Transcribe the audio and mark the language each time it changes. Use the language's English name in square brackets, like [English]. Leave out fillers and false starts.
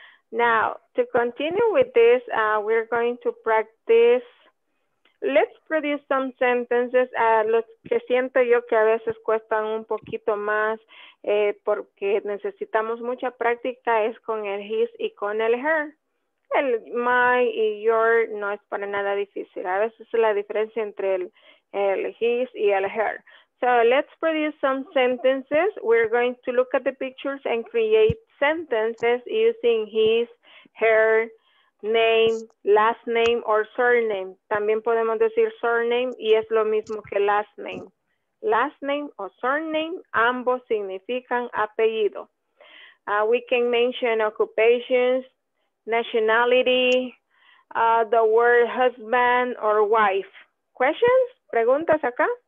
[English] Now, to continue with this, we're going to practice. Let's produce some sentences. [Spanish] Los que siento yo que a veces cuestan un poquito más porque necesitamos mucha práctica es con el his y con el her. El my y your no es para nada difícil. A veces es la diferencia entre el his y el her. [English] So let's produce some sentences. We're going to look at the pictures and create sentences using his, her, name, last name or surname. [Spanish] También podemos decir surname y es lo mismo que last name. Last name o surname, ambos significan apellido. [English] We can mention occupations, nationality, the word husband or wife. Questions? [Spanish] ¿Preguntas acá?